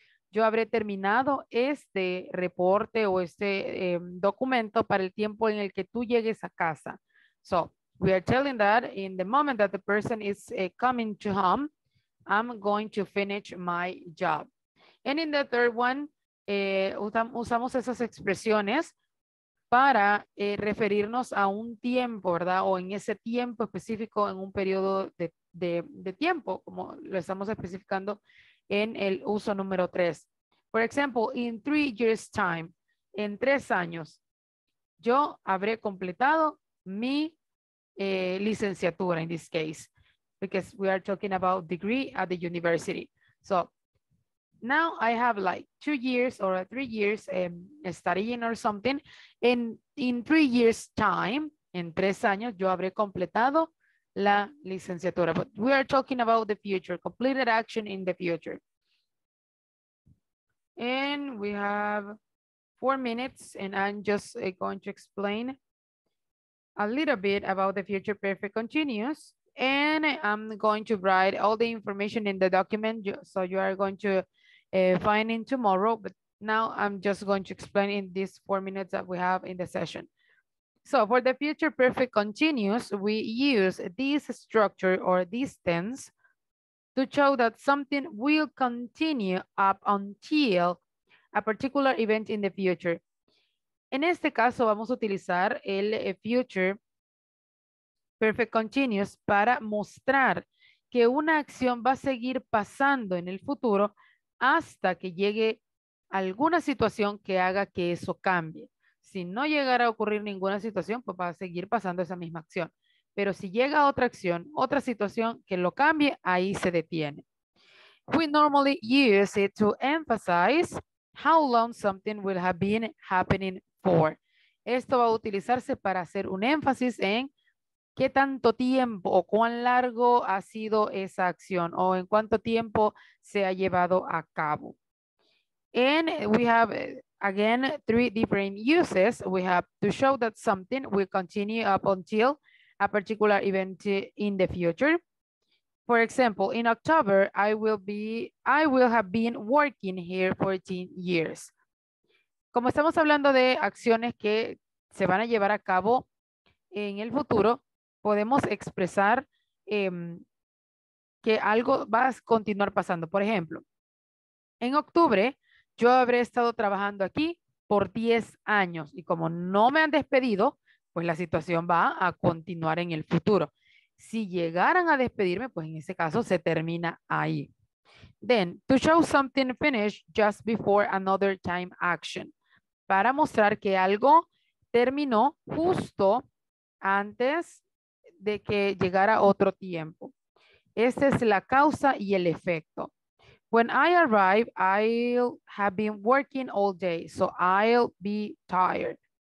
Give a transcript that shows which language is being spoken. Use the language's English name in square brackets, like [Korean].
[Spanish] Yo habré terminado este reporte o este documento para el tiempo en el que tú llegues a casa. [English] So, we are telling that in the moment that the person is coming to home, I'm going to finish my job. And in the third one, [Spanish] usamos esas expresiones para referirnos a un tiempo, ¿verdad? O en ese tiempo específico, en un periodo de tiempo, como lo estamos especificando en el uso número 3. [English] For example, in 3 years time, [Spanish] en 3 años, yo habré completado mi licenciatura, [English] in this case, because we are talking about degree at the university. So now I have like 2 years or 3 years studying or something. In 3 years time, [Spanish] en 3 años, yo habré completado la licenciatura. [English] But we are talking about the future, completed action in the future. And we have 4 minutes, and I'm just going to explain a little bit about the future perfect continuous. And I'm going to write all the information in the document so you are going to find it tomorrow. But now I'm just going to explain in these 4 minutes that we have in the session. So for the future perfect continuous, we use this structure or this tense to show that something will continue up until a particular event in the future. [Spanish] En este caso, vamos a utilizar el future perfect continuous para mostrar que una acción va a seguir pasando en el futuro hasta que llegue alguna situación que haga que eso cambie. Si no llegara a ocurrir ninguna situación, pues va a seguir pasando esa misma acción. Pero si llega otra acción, otra situación que lo cambie, ahí se detiene. [English] We normally use it to emphasize how long something will have been happening for. [Spanish] Esto va a utilizarse para hacer un énfasis en qué tanto tiempo o cuán largo ha sido esa acción o en cuánto tiempo se ha llevado a cabo. [English] And we have, again, 3 different uses. We have to show that something will continue up until a particular event in the future. For example, in October, I will have been working here 14 years. [Spanish] Como estamos hablando de acciones que se van a llevar a cabo en el futuro, podemos expresar que algo va a continuar pasando. Por ejemplo, en octubre, yo habré estado trabajando aquí por 10 años y como no me han despedido, pues la situación va a continuar en el futuro. Si llegaran a despedirme, pues en ese caso se termina ahí. [English] Then, to show something finished just before another time action. [Spanish] Para mostrar que algo terminó justo antes de que llegara otro tiempo. Esta es la causa y el efecto. [English] When I arrive, I'll have been working all day, so I'll be tired.